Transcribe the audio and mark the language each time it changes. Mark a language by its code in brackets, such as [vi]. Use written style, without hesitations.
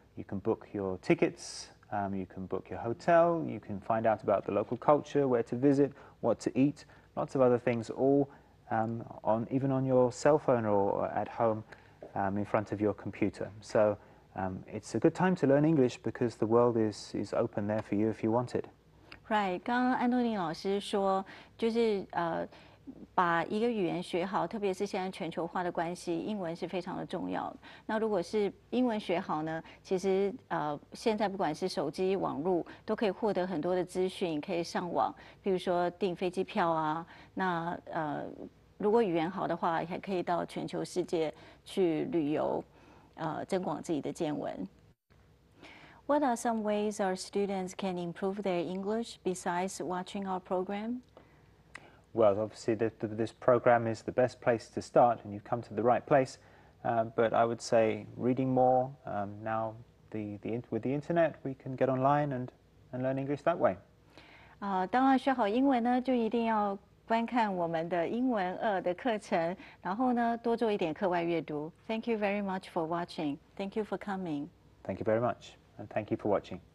[en] You can book your tickets, you can book your hotel, you can find out about the local culture, where to visit, what to eat, lots of other things, all even on your cell phone or at home in front of your computer. So it's a good time to learn English because the world is open there for you if you want it. [zh] Right, 刚刚安东尼老师说，就是把一个语言学好，特别是现在全球化的关系，英文是非常的重要的。那如果是英文学好呢，其实现在不管是手机、网络，都可以获得很多的资讯，可以上网，比如说订飞机票啊。那如果语言好的话，还可以到全球世界去旅游，增广自己的见闻。 [en] What are some ways our students can improve their English besides watching our program? Well, obviously this program is the best place to start and you've come to the right place. But I would say reading more. Now with the internet, we can get online and learn English that way. [zh] 当然学好英文呢，就一定要观看我们的英文2的课程，然后呢，多做一点课外阅读。 [en] Thank you very much for watching. Thank you for coming. Thank you very much. And thank you for watching.